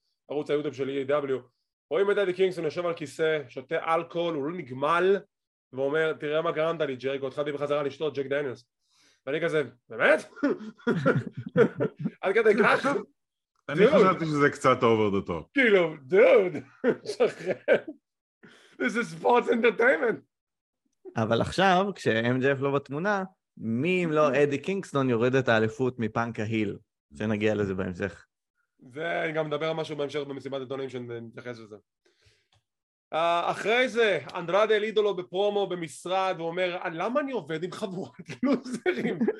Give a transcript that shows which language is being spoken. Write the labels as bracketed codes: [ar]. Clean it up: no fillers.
[he] ערוץ היוטיוב של AEW, רואים את דדי קינגסטון יושב על כיסא, שותה אלכוהול, הוא לא נגמל, ואומר, תראה מה גרמת לי, ג'ריקו, התחלתי בחזרה לשתות, ג'ק דניאלס. ואני כזה, באמת? עד כדי כך? אני חשבתי שזה קצת אובר דה טופ. כאילו, דוד, שחרר. [en] This is sports entertainment. [he] אבל עכשיו, כש-MJF לא בתמונה, מי אם לא אדי קינגסטון יורד את האליפות מפאנק ההיל, שנגיע לזה בהמשך. זה, אני גם מדבר על משהו בהמשך במסיבת עיתונאים שנתייחס לזה. אחרי זה, אנדרדה אל אידולו בפרומו במשרד, הוא אומר, למה אני עובד עם חבורת לוזרים?